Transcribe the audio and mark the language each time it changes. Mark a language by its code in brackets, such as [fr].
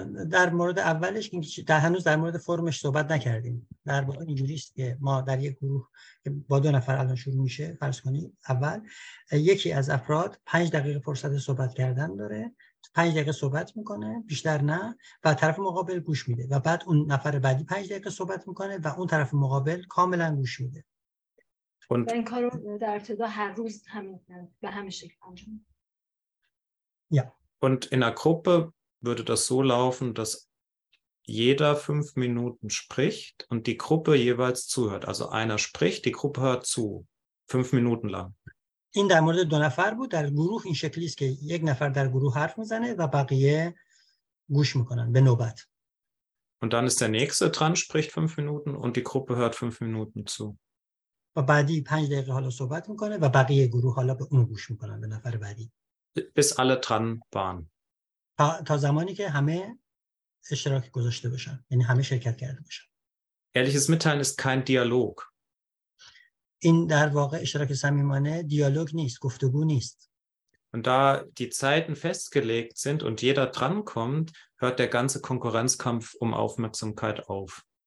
[fa] در مورد اولش که تا هنوز در مورد فرمش صحبت نکردیم، در واقع اینجوری است که ما در یک گروه با 2 نفر الان شروع میشه، فرض کنید اول یکی از افراد 5 دقیقه فرصت صحبت کردن داره، 5 دقیقه صحبت میکنه بیشتر نه، و طرف مقابل گوش میده، و بعد اون نفر بعدی 5 دقیقه صحبت میکنه و اون طرف مقابل کاملا گوش میده. این کارو در ابتدا هر روز همین به همین شکل انجام میدن. [de] Und in einer Gruppe würde das so laufen, dass jeder 5 Minuten spricht und die Gruppe jeweils zuhört. Also einer spricht, die Gruppe hört zu, 5 Minuten lang. In der Mode [fa] 2 نفر بود در گروه این شکلی است که یک نفر در گروه حرف میزنه و بقیه گوش میکنن به نوبت. [de] Und dann ist der nächste dran, spricht 5 Minuten und die Gruppe hört 5 Minuten zu. [fa] و بعدی 5 دقیقه حالا صحبت میکنه و بقیه گروه حالا به اون گوش میکنن به نفر بعدی. [de] Bis alle dran waren. [fa] تا زمانی که همه اشتراک گذاشته باشن، یعنی همه شرکت کرده باشن. [de] Ehrliches Mitteilen ist kein Dialog. [fa] این در واقع اشتراک صمیمانه دیالوگ نیست، گفتگو نیست. [de] Und da die Zeiten festgelegt sind und jeder dran kommt, hört der ganze Konkurrenzkampf um Aufmerksamkeit auf.